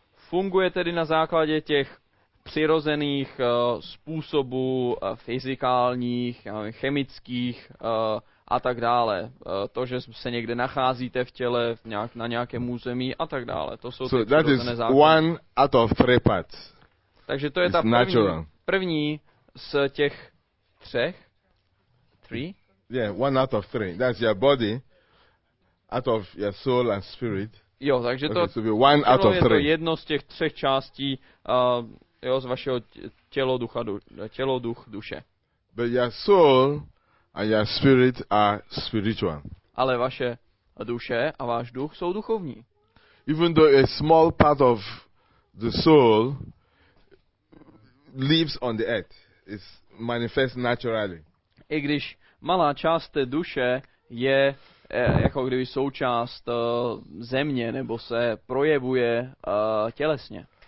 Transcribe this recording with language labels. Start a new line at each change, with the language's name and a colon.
Czech: Funguje tedy na základě těch přirozených způsobů fyzikálních, chemických a tak dále. To, že se někde nacházíte v těle na nějakém území a tak dále. To jsou ty přirozené základy.
English: One out of three parts.
Czech: Takže to je ta první z těch třech.
English: Three? Yeah, one out of three. That's your body, out of your soul and spirit.
Czech: Jo, takže to
English: okay, so one out of
Czech: je
English: three.
Czech: To jedno z těch třech částí jo, z vašeho tělo, ducha, tělo, duch, duše.
English: But your soul and your spirit are spiritual.
Czech: Ale vaše duše a váš duch jsou duchovní.
English: Even though a small part of the soul lives on the earth, it's manifest naturally.
Czech: I když malá část té duše je jako kdyby součást země nebo se projevuje tělesně.